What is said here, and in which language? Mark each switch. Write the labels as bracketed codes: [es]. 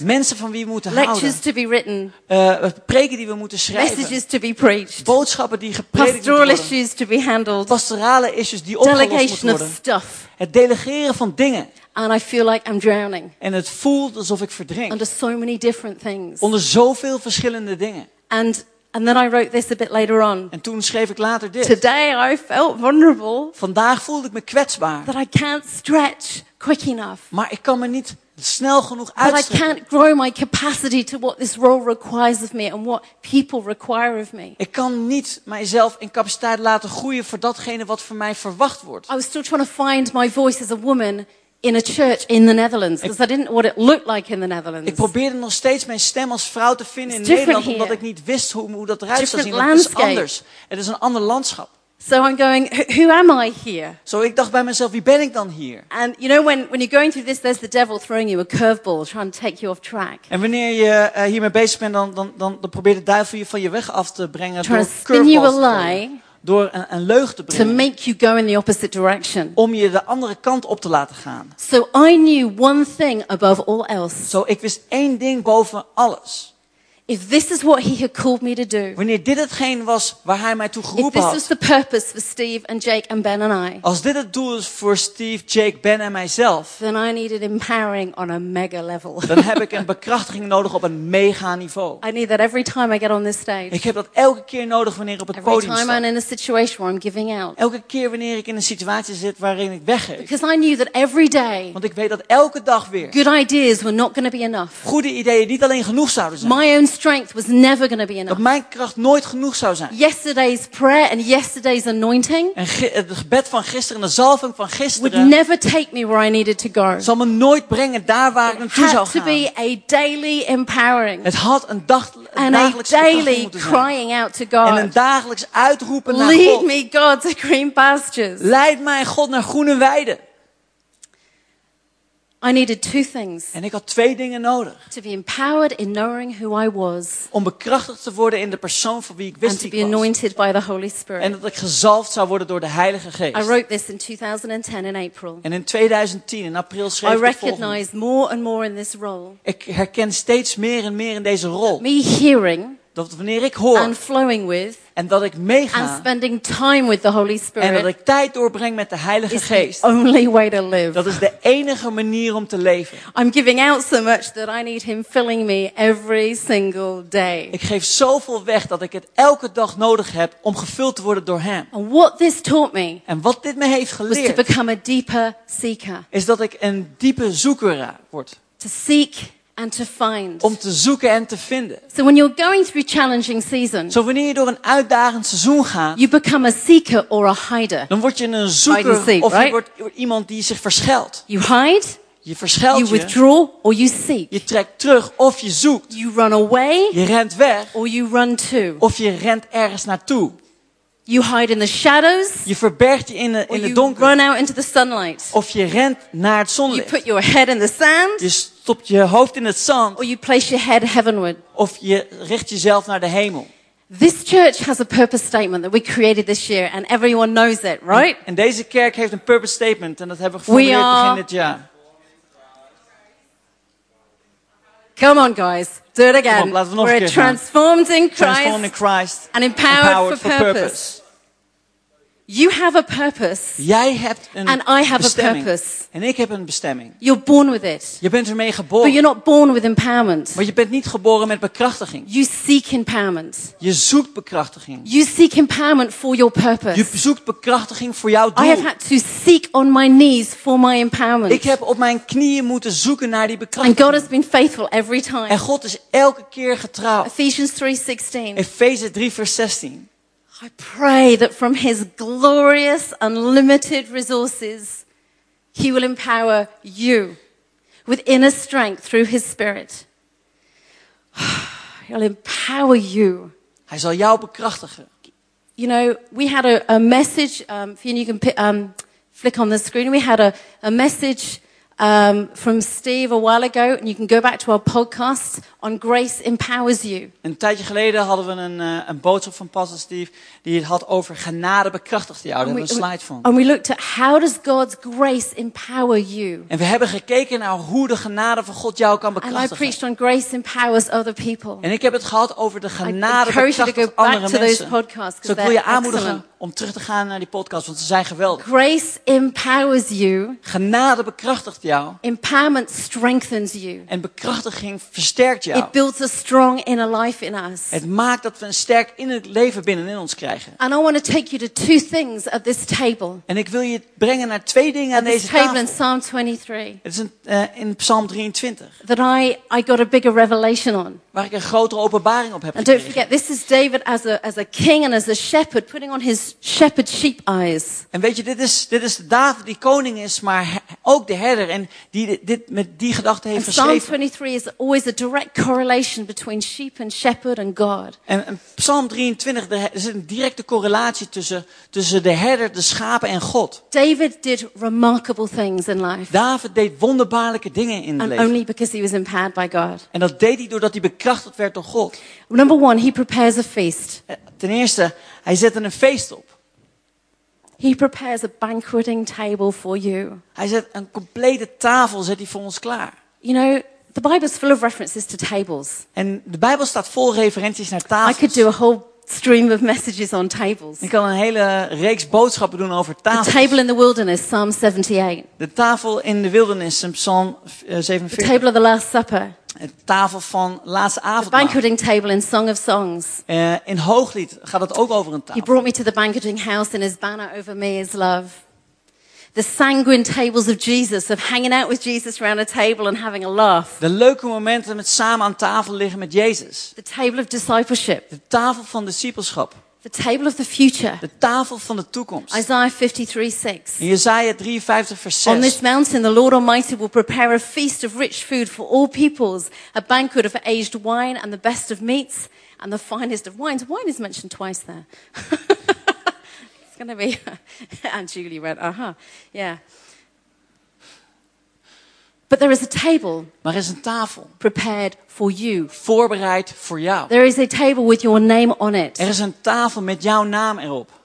[nl] Mensen van wie we moeten [en] lectures [nl] houden. [en] Lectures to be written. [nl] Preken die we moeten schrijven. [en] Messages to be preached. [nl] Boodschappen die gepredikt moeten worden. [en] Pastoral issues to be handled. [nl] Pastorale issues die opgelost moeten worden. [en] Delegation of stuff. [nl] Het delegeren van dingen. [en] And I feel like I'm drowning. [nl] En het voelt alsof ik verdrink. [en] Under so many different things. [nl] Onder zoveel verschillende dingen. [en] And then I wrote this a bit later on. [nl] En toen schreef ik later dit. [en] Today I felt vulnerable. [nl] Vandaag voelde ik me kwetsbaar. [en] That I can't stretch quick enough. [nl] Maar ik kan me niet snel genoeg uitstrekken. [en] But I can't grow my capacity to what this role requires of me and what people require of me. [nl] Ik kan niet mijzelf in capaciteit laten groeien voor datgene wat van mij verwacht wordt. [en] I was still trying to find my voice as a woman in a church in the Netherlands, because I didn't know what it looked like in the Netherlands. [nl] Ik probeerde nog steeds mijn stem als vrouw te vinden in Nederland, omdat ik niet wist hoe dat eruit zou zien. [en] Different landscape. [nl] Het is anders. Het is een ander landschap. [en] So I'm going, who am I here? [nl] So ik dacht bij mezelf, wie ben ik dan hier? [en] And you know when you're going through this, there's the devil throwing you a curveball, trying to take you off track. [nl] En wanneer je hiermee bezig bent, dan probeert de duivel je van je weg af te brengen door curveballs. [en] Trying to spin you a lie. [nl] Door een leugen te brengen. [en] To make you go in the opposite direction. [nl] Om je de andere kant op te laten gaan. [en] So I knew one thing above all else. [nl] So ik wist één ding boven alles. [en] If this is what he had called me to do. [nl] Wanneer dit hetgeen was waar hij mij toe geroepen had. [en] If this was the purpose for Steve and Jake and Ben and I. [nl] Als dit het doel is voor Steve, Jake, Ben en mijzelf. [en] Then I needed empowering on a mega level. [nl] Dan heb ik een bekrachtiging nodig op een mega niveau. [en] I need that every time I get on this stage. [nl] Ik heb dat elke keer nodig wanneer ik op het podium sta. [en] Every time I'm in a situation where I'm giving out. [nl] Elke keer wanneer ik in een situatie zit waarin ik weggeef. [en] Because I knew that every day. [nl] Want ik weet dat elke dag weer. [en] Good ideas were not going to be enough. [nl] Goede ideeën niet alleen genoeg zouden zijn. [en] My own strength was never going to be enough. [nl] Dat mijn kracht nooit genoeg zou zijn. [en] Yesterday's prayer and yesterday's anointing. [nl] En het gebed van gisteren en de zalving van gisteren. [en] Would never take me where I needed to go. [nl] Zal me nooit brengen daar waar ik naartoe zou gaan. [en] To be a daily empowering. [nl] Het had een dagelijks [en] and a daily crying out to God. [nl] En een dagelijks uitroepen naar God. [en] Lead me, God, to green pastures. [nl] Leid mij, God, naar groene weiden. [en] I needed two things. [nl] En ik had twee dingen nodig. [en] To be empowered in knowing who I was. [nl] Om bekrachtigd te worden in de persoon van wie ik wist [en] and to [nl] wie ik [en] be anointed [nl] was. [en] By the Holy Spirit. [nl] En dat ik gezalfd zou worden door de Heilige Geest. [en] I wrote this in 2010 in April. [nl] En in 2010 in april schreef ik [en] I recognize more and more in this role. [nl] Ik herken steeds meer en meer in deze rol. [en] Me hearing [nl] dat wanneer ik hoor [en] and flowing with [nl] en dat ik meega [en] and spending time with the Holy Spirit [nl] en dat ik tijd doorbreng met de Heilige Geest [en] the only way to live. [nl] Dat is de enige manier om te leven. [en] I'm giving out so much that I need him filling me every single day. [nl] Ik geef zoveel weg dat ik het elke dag nodig heb om gevuld te worden door hem. [en] And what this taught me [nl] en wat dit me heeft geleerd [en] was to become a deeper seeker. [nl] Is dat ik een diepe zoeker word. [en] To seek and to find. [nl] Om te zoeken en te vinden. [en] So when you're going through a challenging season. [nl] Zo wanneer je door een uitdagend seizoen gaat. [en] You become a seeker or a hider. [nl] Dan word je een zoeker [en] seek, [nl] of [en] right? [nl] Je wordt iemand die zich verschuilt. [en] You hide. [nl] Je verschuilt [en] you [nl] je. [en] Withdraw or you seek. [nl] Je trekt terug of je zoekt. [en] You run away. [nl] Je rent weg. [en] Or you run to. [nl] Of je rent ergens naartoe. [en] You hide in the shadows. [nl] Je verbergt je in de donker. [en] Run out into the sunlight. [nl] Of je rent naar het zonlicht. [en] You put your head in the sand. [nl] Je stopt je hoofd in het zand. [en] Or you place your head heavenward. [nl] Of je richt jezelf naar de hemel. [en] This church has a purpose statement that we created this year and everyone knows it, right? [nl] En deze kerk heeft een purpose statement en dat hebben we geformuleerd begin dit jaar. [en] Come on, guys. Do it again. Come on, we're transformed in Christ, transformed in Christ and empowered for purpose. You have a purpose. [nl] Jij hebt een [en] and I have [nl] bestemming. [en] A purpose. [nl] En ik heb een bestemming. [en] You're born with it. [nl] Je bent ermee geboren. [en] But you're not born with empowerment. [nl] Maar je bent niet geboren met bekrachtiging. [en] You seek empowerment. [nl] Je zoekt bekrachtiging. [en] You seek empowerment for your purpose. [nl] Je zoekt bekrachtiging voor jouw doel. [en] I have had to seek on my knees for my empowerment. [nl] Ik heb op mijn knieën moeten zoeken naar die bekrachtiging. [en] And God has been faithful every time. [nl] En God is elke keer getrouw. [en] Ephesians [nl] 3 vers 16. [en] I pray that from his glorious unlimited resources he will empower you with inner strength through his spirit. He'll empower you. [nl] Hij zal jou bekrachtigen. [en] You know, we had a message Fionn, you can flick on the screen. We had a message from Steve a while ago and you can go back to our podcast on Grace Empowers You. [nl] Een tijdje geleden hadden we een boodschap van Pastor Steve die het had over genade bekrachtigd jou. Daar hebben we een slide van. [en] And we looked at how does God's grace empower you. [nl] En we hebben gekeken naar hoe de genade van God jou kan bekrachtigen. [en] And I preached on Grace Empowers Other People. [nl] En ik heb het gehad over de genade bekrachtigd andere mensen. [en] Those podcasts, [nl] so ik wil je aanmoedigen om terug te gaan naar die podcast, want ze zijn geweldig. [en] Grace empowers you. [nl] Genade bekrachtigt jou. [en] Empowerment strengthens you. [nl] En bekrachtiging versterkt jou. [en] It builds a strong inner life in us. [nl] Het maakt dat we een sterk innerlijk leven binnenin ons krijgen. [en] And I want to take you to two things at this table. [nl] En ik wil je brengen naar twee dingen aan deze [en] table In Psalm 23. [nl] Het is in Psalm 23. [en] That I got a bigger revelation on. [nl] Waar ik een grotere openbaring op heb gekregen. [en] And don't forget, this is David as a king and as a shepherd putting on his shepherd sheep eyes. [nl] En weet je, dit is David die koning is, maar ook de herder en die dit met die gedachte heeft geschreven. [en] Psalm 23 is always a direct correlation between sheep and shepherd and God. [nl] En Psalm 23, er is een directe correlatie tussen de herder, de schapen en God. [en] David did remarkable things in life. [nl] David deed wonderbaarlijke dingen in het leven. [en] Only because he was empowered by God. [nl] En dat deed hij doordat hij bekrachtigd werd door God. [en] Number one, he prepares a feast. [nl] Ten eerste, hij zette een feest op. [en] He prepares a banqueting table for you. [nl] Hij zet een complete tafel zet hij voor ons klaar. [en] You know, the Bible is full of references to tables. [nl] En de Bijbel staat vol referenties naar tafels. [en] I could do a whole stream of messages on tables. [nl] Ik kan een hele reeks boodschappen doen over tafels. [en] The table in the wilderness, Psalm 78. [nl] De tafel in de wildernis, Psalm 47. [en] The table of the Last Supper. [nl] De tafel van laatste avondmaal. [en] The banqueting table in Song of Songs. [nl] In Hooglied gaat het ook over een tafel. [en] He brought me to the banqueting house and his banner over me is love. The sanguine tables of Jesus, of hanging out with Jesus around a table and having a laugh. [nl] De leuke momenten met samen aan tafel liggen met Jezus. [en] The table of discipleship. [nl] De tafel van discipelschap. [en] The table of the future. [nl] De tafel van de toekomst. [en] Isaiah 53:6. [nl] In Jesaja 53:6. [en] On this mountain, the Lord Almighty will prepare a feast of rich food for all peoples, a banquet of aged wine and the best of meats and the finest of wines. Wine is mentioned twice there. It's going to be. And Julie went, yeah. But there is a table. [nl] Maar er is een tafel. [en] Prepared for you. [nl] Voorbereid voor jou. [en] There is a table with your name on it. [nl] Er is een tafel met jouw naam erop.